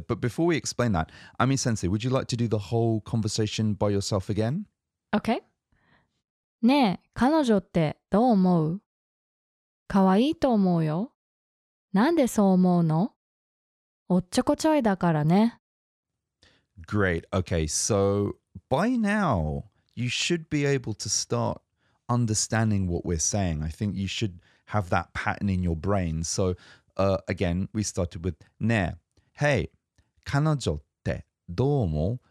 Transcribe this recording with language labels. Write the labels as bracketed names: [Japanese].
[English] But before we explain that, Ami-sensei, would you like to do the whole conversation by yourself again? Okay. [Japanese] ねえ、彼女ってどう思う？可愛いと思うよ。なんでそう思うの？おっちょこちょいだからね。 [English] Great. Okay, so by now, you should be able to start understanding what we're saying. I think you should have that pattern in your brain. So, again, we started with ne. Hey, [Japanese] 彼女ってどう思う?